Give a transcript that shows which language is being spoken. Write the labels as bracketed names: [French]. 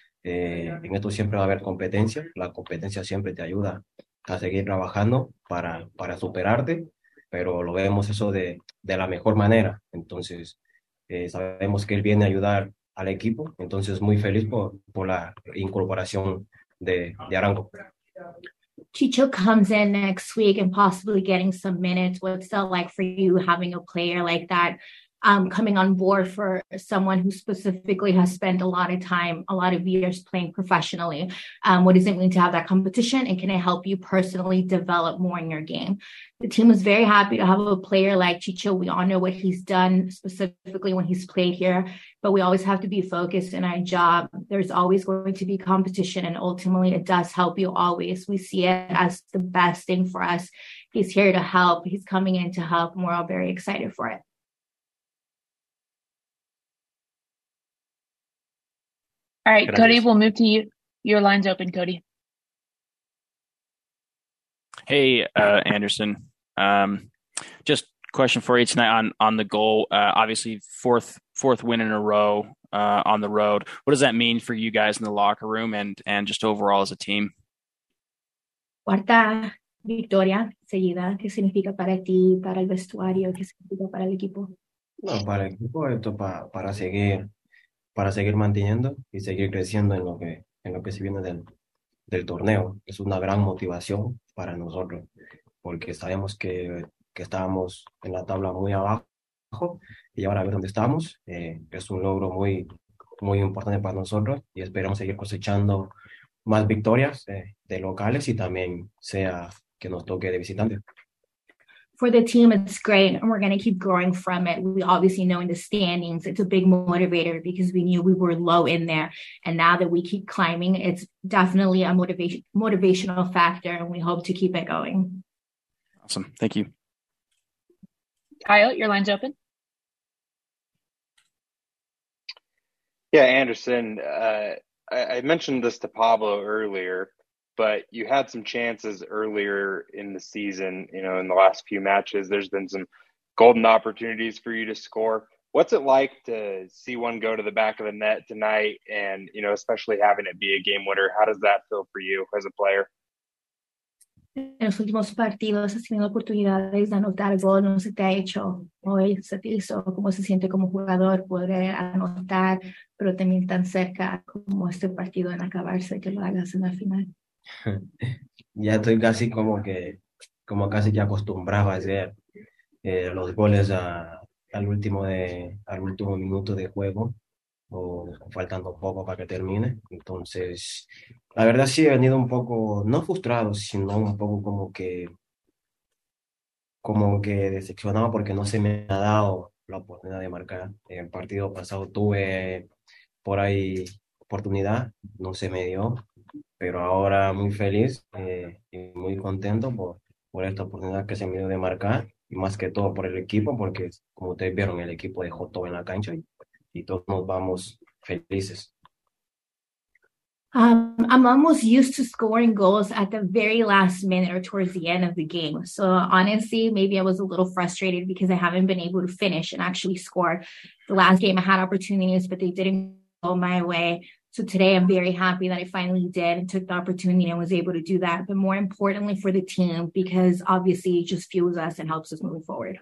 [Spanish] En esto siempre va a haber competencia. La competencia siempre te ayuda a seguir trabajando para superarte. Pero lo vemos eso de la mejor manera. Entonces, sabemos que él viene a ayudar al equipo. Entonces, muy feliz por la incorporación de Arango. [English] Chicho comes in next week and possibly getting some minutes. What's that like for you, having a player like that coming on board for someone who specifically has spent a lot of time, a lot of years playing professionally? What does it mean to have that competition, and can it help you personally develop more in your game? The team was very happy to have a player like Chicho. We all know what he's done specifically when he's played here, but we always have to be focused in our job. There's always going to be competition, and ultimately it does help you always. We see it as the best thing for us. He's here to help. He's coming in to help, and we're all very excited for it. All right, Cody, [Spanish] Gracias. [English] we'll move to you. Your line's open, Cody. Hey, Anderson. Just question for you tonight on the goal. Obviously, fourth win in a row on the road. What does that mean for you guys in the locker room and just overall as a team? [Spanish] Cuarta victoria seguida, ¿qué significa para ti, para el vestuario, qué significa para el equipo? No, para el equipo, esto para seguir. Para seguir manteniendo y seguir creciendo en lo que se viene del torneo. Es una gran motivación para nosotros, porque sabemos que estábamos en la tabla muy abajo y ahora a ver dónde estamos. Es un logro muy, muy importante para nosotros y esperamos seguir cosechando más victorias de locales y también sea que nos toque de visitante. [English] For the team, it's great, and we're going to keep growing from it. We obviously know in the standings, it's a big motivator because we knew we were low in there. And now that we keep climbing, it's definitely a motivational factor, and we hope to keep it going. Awesome. Thank you. Kyle, your line's open. Yeah, Anderson, I mentioned this to Pablo earlier, but you had some chances earlier in the season, you know, in the last few matches. There's been some golden opportunities for you to score. What's it like to see one go to the back of the net tonight and, you know, especially having it be a game winner? How does that feel for you as a player? [Spanish] En los últimos partidos has tenido oportunidades de anotar gol, no se te ha hecho hoy, se te hizo, ¿cómo se siente como jugador poder anotar, pero también tan cerca como este partido en acabarse, que lo hagas en la final? Ya estoy casi como casi ya acostumbrado a hacer los goles al último minuto de juego, o faltando poco para que termine. Entonces, la verdad sí he venido un poco, no frustrado, sino un poco como que decepcionado porque no se me ha dado la oportunidad de marcar. En el partido pasado tuve por ahí oportunidad, no se me dio, pero ahora muy feliz y muy contento por esta oportunidad que se me dio de marcar, y más que todo por el equipo, porque como ustedes vieron, el equipo dejó todo en la cancha y todos nos vamos felices. [English] I'm almost used to scoring goals at the very last minute or towards the end of the game. So honestly, maybe I was a little frustrated because I haven't been able to finish and actually score. The last game I had opportunities, but they didn't go my way. So today I'm very happy that I finally did and took the opportunity and was able to do that. But more importantly for the team, because obviously it just fuels us and helps us move forward.